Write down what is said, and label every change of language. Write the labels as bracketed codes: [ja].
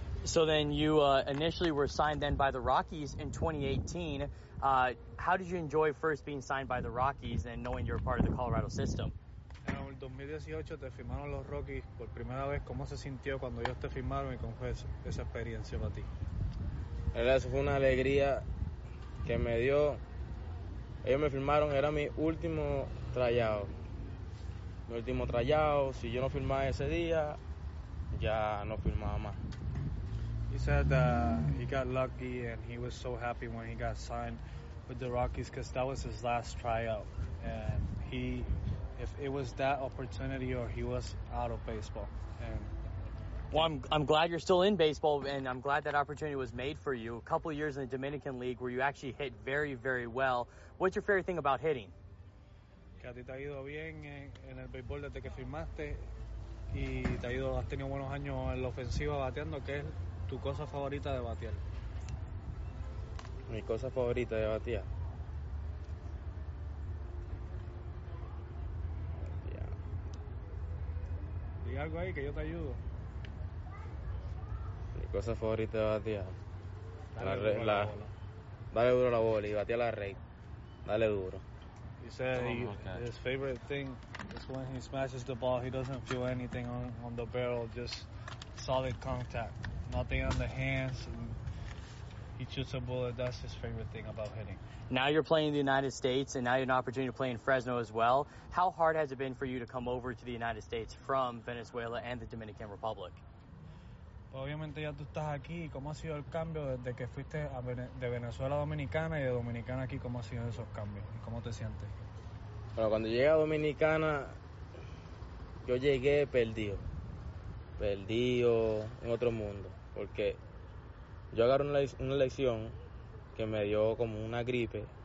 [en] So then you initially were signed then by the Rockies in 2018. How did you enjoy first being signed by the Rockies and knowing you're part of the Colorado system? [es] En 2018 te firmaron los Rockies por primera vez. ¿Cómo se sintió cuando ellos te firmaron y cómo fue esa experiencia para ti? Eso fue una alegría que me dio. Ellos me firmaron, era mi último tryout. Mi último tryout. Si yo no firmaba ese día, ya no firmaba más. [en] He said he got lucky and he was so happy when he got signed with the Rockies because that was his last tryout. And if it was that opportunity or he was out of baseball. And well, I'm glad you're still in baseball, and I'm glad that opportunity was made for you. A couple of years in the Dominican League where you actually hit very, very well. What's your favorite thing about hitting? [es] Que a ti te ha ido bien en el béisbol desde que firmaste. Y te ha ido, has tenido buenos años en la ofensiva bateando. ¿Qué es tu cosa favorita de batear? Mi cosa favorita de batear. Diga algo ahí que yo te ayudo. Mi cosa favorita de batear. Dale duro a la bola y batea la red. Dale duro. [en] He said his favorite thing is when he smashes the ball. He doesn't feel anything on the barrel, just solid contact. Nothing on the hands. And he shoots a bullet. That's his favorite thing about hitting. Now you're playing in the United States, and now you have an opportunity to play in Fresno as well. How hard has it been for you to come over to the United States from Venezuela and the Dominican Republic? [es] Obviamente ya tú estás aquí. ¿Cómo ha sido el cambio desde que fuiste de Venezuela a Dominicana y de Dominicana aquí? ¿Cómo ha sido esos cambios? ¿Cómo te sientes? Bueno, cuando llegué a Dominicana, yo llegué perdido. Perdido en otro mundo. Porque yo agarré una lesión que me dio como una gripe.